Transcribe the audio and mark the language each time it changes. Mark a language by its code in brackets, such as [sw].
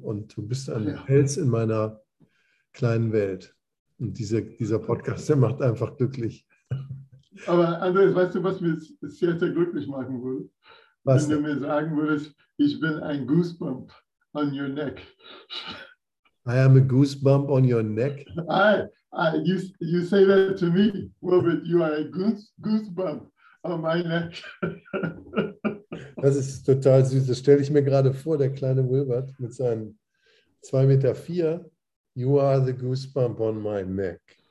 [de] Und du bist ein Fels in meiner kleinen Welt. Und dieser Podcast, der macht einfach glücklich. Aber Andreas, weißt du, was mir sehr, sehr glücklich machen würde? Was? Wenn du mir sagen würdest, ich bin ein [en] Goosebump on your neck. I am a goosebump on your neck. You say that to me, Robert. You are a goosebump on my neck. [de] Das ist total süß. Das stelle ich mir gerade vor, der kleine Wilbert mit seinen 2,04 Meter. [en] You are the goosebump on my neck.